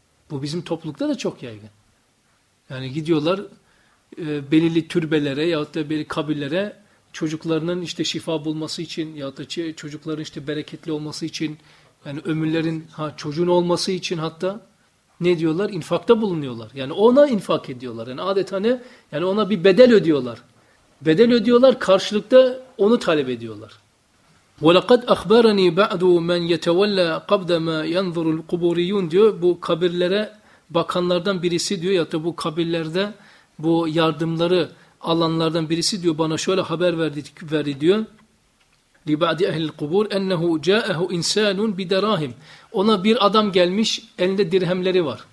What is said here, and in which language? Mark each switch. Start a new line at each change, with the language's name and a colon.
Turkish: Bu bizim toplulukta da çok yaygın. Yani gidiyorlar belirli türbelere yahut da belirli kabirlere çocuklarının işte şifa bulması için yahut da çocukların işte bereketli olması için yani ömürlerin ha çocuğun olması için hatta ne diyorlar? İnfakta bulunuyorlar. Yani ona infak ediyorlar. Yani adeta ne? Yani ona bir bedel ödüyorlar. Bedel ödüyorlar, karşılıkta onu talep ediyorlar.
Arabic: وَلَقَدْ أَخْبَرَنِي بَعْدُ مَنْ يَتَوَلَّا قَبْدَ مَا يَنْظُرُ الْقُبُورِيُّونَ diyor.
Turkish: Bu kabirlere bakanlardan birisi diyor. Ya da bu kabirlerde bu yardımları alanlardan birisi diyor. Bana şöyle haber verdi diyor.
Arabic: لِبَعْدِ اَهْلِ الْقُبُورِ اَنَّهُ جَاءَهُ اِنْسَانٌ بِدَرَاهِمْ
Turkish: Ona bir adam gelmiş, elinde dirhemleri var.